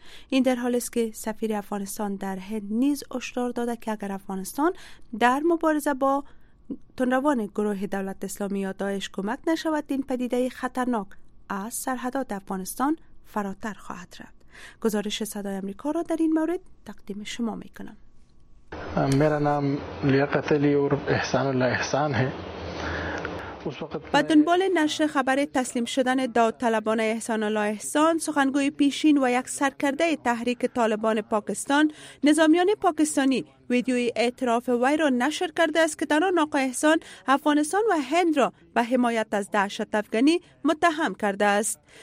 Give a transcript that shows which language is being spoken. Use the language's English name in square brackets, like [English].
[Persian] این در حال است که سفیر افغانستان در هند نیز هشدار داده که اگر افغانستان در مبارزه با تندروان گروه دولت اسلامی یا داعش کمک نشود، این پدیده خطرناک از سرحدات افغانستان فراتر خواهد رفت. گزارش صدای آمریکا را در این مورد تقدیم شما می کنم. [Urdu] میرا نام لیاقت علی اور احسان الله احسان ہے. [Persian] به دنبال نشر خبر تسلیم شدن داوطلبان احسان الله احسان، سخنگوی پیشین و یک سرکرده تحریک طالبان پاکستان، نظامیان پاکستانی ویدیوی اعتراف وی را نشر کرده است که در آن آقای احسان افغانستان و هند را به حمایت از دهشت افغانی متهم کرده است.